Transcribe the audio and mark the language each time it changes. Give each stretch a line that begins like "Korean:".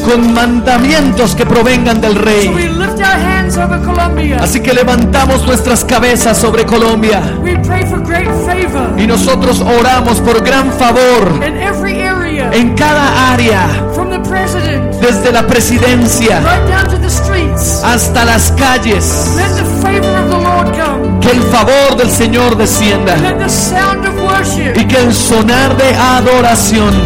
Spanish: con mandamientos que provengan del Rey.
English: So we lift our hands over Colombia.
Spanish: Así que levantamos nuestras cabezas sobre Colombia.
English: We pray for great favor.
Spanish: Y nosotros oramos por gran favor
English: in every area.
Spanish: En cada área.
English: From the president.
Spanish: Desde la presidencia.
English: Right down to the streets.
Spanish: Hasta las calles.
English: Let the favor of the Lord come.
Spanish: Que el favor del Señor descienda.
English: Let the sound of worship.
Spanish: Y que el sonar de adoración.